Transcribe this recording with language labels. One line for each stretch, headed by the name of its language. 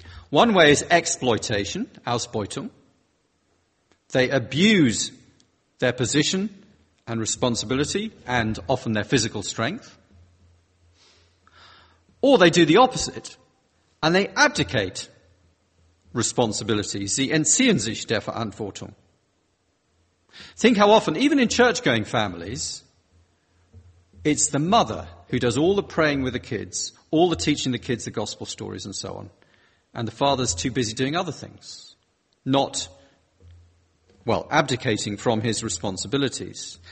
English: One way is exploitation, Ausbeutung. They abuse their position and responsibility and often their physical strength. Or they do the opposite. And they abdicate responsibility.
German: Sie entziehen sich der Verantwortung.
English: Think how often, even in church-going families, it's the mother who does all the praying with the kids, all the teaching the kids the gospel stories and so on. And the father's too busy doing other things, not, well, abdicating from his responsibilities.